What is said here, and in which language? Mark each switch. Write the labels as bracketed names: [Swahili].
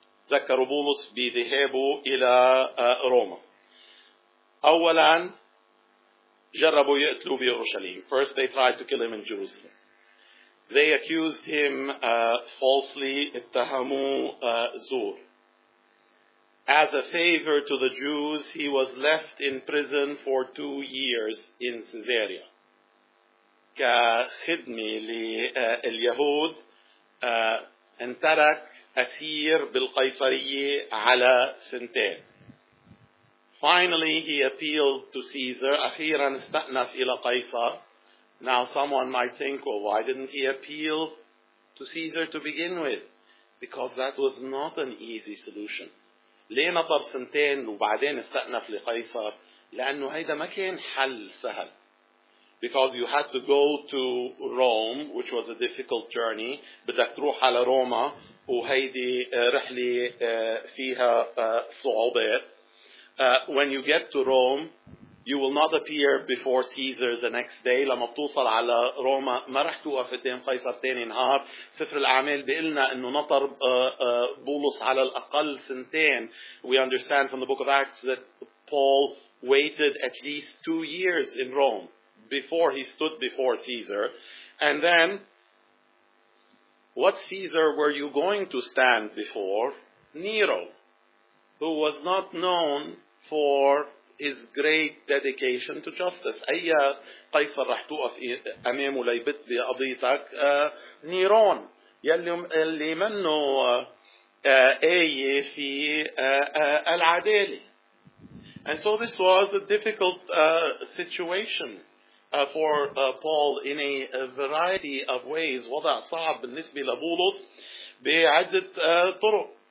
[Arabic] ذكروا بولس بذهابه إلى روما. أولا جربوا يقتلوا في أورشليم. [English] First they tried to kill him in Jerusalem. They accused him falsely, [Arabic] اتهموه زور. [English] As a favor to the Jews, he was left in prison for 2 years in Caesarea. [Arabic] كخدمة لليهود انترك أسير بالقيصرية على سنتين. [English] Finally, he appealed to Caesar. [Arabic] أخيرا استأنف إلى قيصر. [English] Now someone might think, well, why didn't he appeal to Caesar to begin with? Because that was not an easy solution. [Arabic] ليه نطر سنتين وبعدين استأنف لقيصر؟ لأنه هيدا ما كان حل سهل. [English] Because you had to go to Rome, which was a difficult journey. [Arabic] بدك تروح على روما وهيدي رحلة فيها صعوبات. [English] When you get to Rome, you will not appear before Caesar the next day. [Arabic] لما بتوصل على روما ما رح توقف قدام قيصر تاني نهار. سفر الأعمال بيقلنا إنه نطر بولس على الأقل سنتين. [English] We understand from the book of Acts that Paul waited at least 2 years in Rome before he stood before Caesar. And then, what Caesar were you going to stand before? Nero, who was not known for his great dedication to justice. [Arabic] أي قيصر رح توقف أمامه ليبت بقضيتك؟ نيرون يلي منه آية في العدالة. [English] And so this was a difficult situation for Paul in a variety of ways. [Arabic] وضع صعب بالنسبة لبولس بعدة طرق.